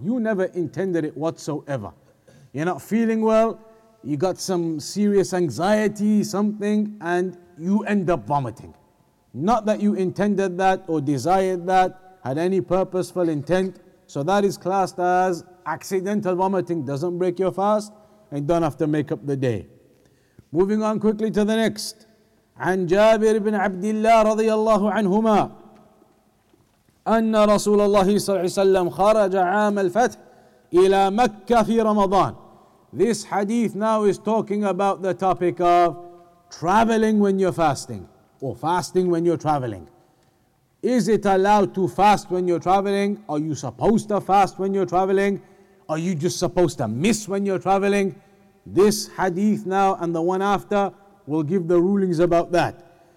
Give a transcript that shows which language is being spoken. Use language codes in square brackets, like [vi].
[en] You never intended it whatsoever. You're not feeling well, you got some serious anxiety, something, and you end up vomiting. Not that you intended that or desired that, had any purposeful intent. So that is classed as accidental vomiting, doesn't break your fast, and don't have to make up the day. Moving on quickly to the next. [ar] عن جابر بن عبد الله رضي الله عنهما أن رسول الله صلى الله عليه وسلم خرج عام الفتح إلى مكة في رمضان. [en] This hadith now is talking about the topic of traveling when you're fasting, or fasting when you're traveling. Is it allowed to fast when you're traveling? Are you supposed to fast when you're traveling? Are you just supposed to miss when you're traveling? This hadith now and the one after will give the rulings about that.